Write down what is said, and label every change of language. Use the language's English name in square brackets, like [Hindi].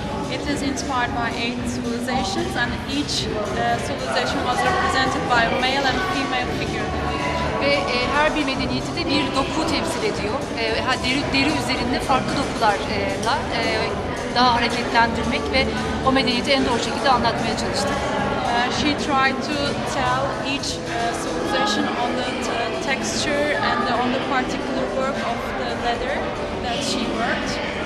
[English] It is inspired by 8 civilizations, and each civilization was represented by a male and female figure. [Turkish] Ve her bir medeniyeti de bir doku temsil ediyor. Deri üzerinde farklı dokularla daha hareketlendirmek ve o medeniyeti en doğru şekilde anlatmaya çalıştı. [English] She tried to tell each civilization on the texture and on the particular work of the leather that she worked.